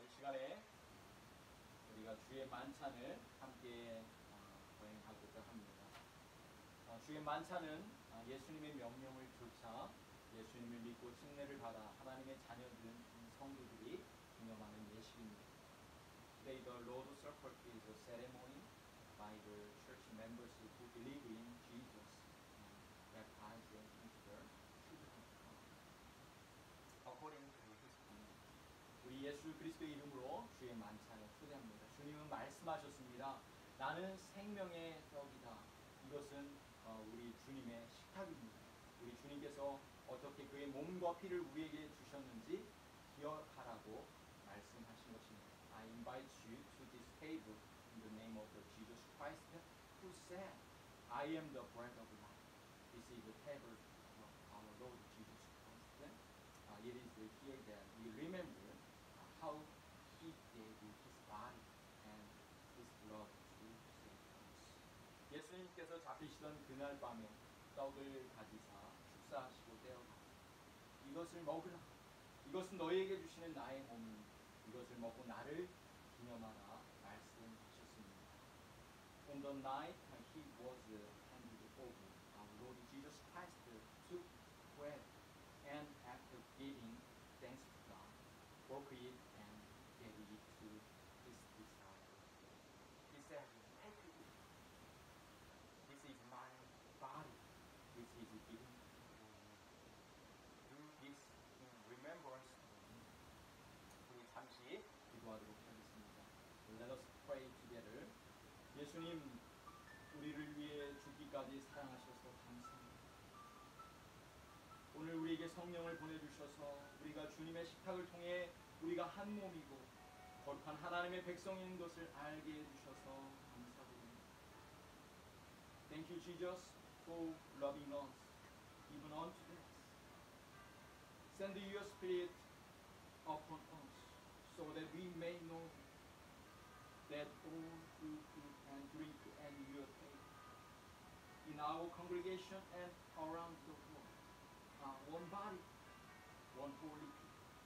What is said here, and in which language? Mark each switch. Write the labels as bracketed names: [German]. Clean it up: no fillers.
[Korean] 이 시간에 우리가 주의 만찬을 함께 거행하고자 합니다. 주의 만찬은 예수님의 명령을 쫓아 예수님을 믿고 침례를 받아 하나님의 자녀들은 성도들이 기념하는 예식입니다. [English] Today the Lord's Supper is a ceremony by the church members who believe in Jesus that passed into their children. According to His command, [Korean] 우리 예수 그리스도의 이름으로 주의 만찬을 초대합니다. 주님은 말씀하셨습니다. 나는 생명의 떡이다. 이것은 우리 주님의 식탁입니다. 우리 주님께서 어떻게 그의 몸과 피를 우리에게 주셨는지 기억하라고 말씀하신 것입니다. [English] I invite you to this table in the name of the Jesus Christ who said, I am the bread of life. This is the table of our Lord Jesus Christ. It is here that we remember how he gave his body and his blood to save us. [Korean] 예수님께서 잡히시던 그날 밤에 떡을 가지사 축사하시고 떼어가 이것을 먹으라. 이것은 너희에게 주시는 나의 몸이니 이것을 먹고 나를 기념하라 말씀하셨습니다. [English] On the night he was handed over, our Lord Jesus Christ took bread and after giving thanks to God, broke it and gave it to his disciples. He said, "Take it. This is my body, which is given to you. Do this in remembrance of me." [Korean] 잠시 기도하도록 하겠습니다. [English] Let us pray together. [Korean] 예수님, 우리를 위해 죽기까지 사랑하셔서 감사합니다. 오늘 우리에게 성령을 보내주셔서 우리가 주님의 식탁을 통해 우리가 한 몸이고 거룩한 하나님의 백성인 것을 알게 해주셔서 감사드립니다. [English] Thank you, Jesus, for loving us, even unto death. Send your spirit upon us. So that we may know that all who eat and drink at your table in our congregation and around the world are one body, one holy people.